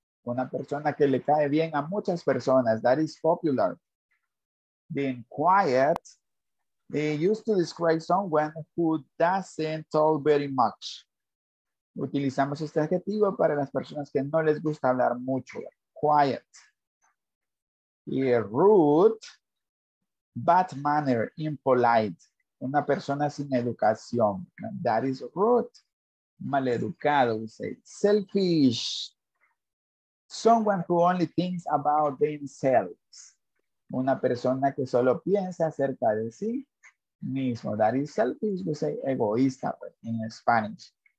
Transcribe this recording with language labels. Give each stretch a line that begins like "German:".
Spanish: Una persona que le cae bien a muchas personas.
English: That is popular. Then quiet. They used to describe someone who doesn't talk very much.
Spanish: Utilizamos este adjetivo para las personas que no les gusta hablar mucho.
English: Quiet. Y rude. Bad manner. Impolite.
Spanish: Una persona sin educación.
English: That is rude.
Spanish: Maleducado.
English: We say. Selfish. Someone who only thinks about themselves.
Spanish: Una persona que solo piensa acerca de sí mismo.
English: That is selfish, we say egoísta in Spanish.